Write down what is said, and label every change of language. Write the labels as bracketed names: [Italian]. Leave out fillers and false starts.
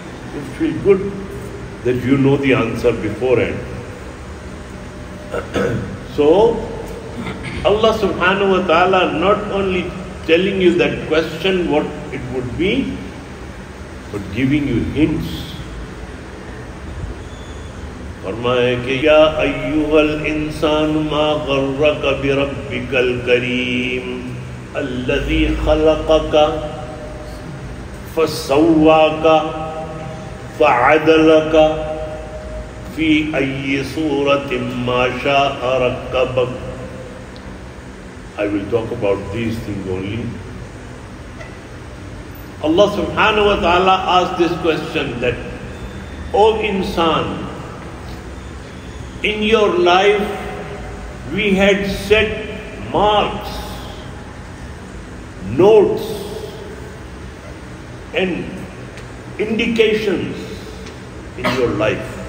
[English] You feel good that you know the answer beforehand. So, Allah subhanahu wa ta'ala not only telling you that question, what it would be, but giving you hints. [Arabic] فَرْمَاهَا كَيَا أَيُّهَا الْإِنسَانُ مَا غَرَّكَ بِرَبِّكَ الْكَرِيمِ الَّذِي خَلَقَكَ فَسَوَّاكَ فَعَدَلَكَ فِي أَيِّ صُورَةٍ مَا شَاءَ رَكَّبَكَ. [English] I will talk about these things only. Allah subhanahu wa ta'ala asked this question that, O insan, in your life, we had set marks, notes, and indications in your life.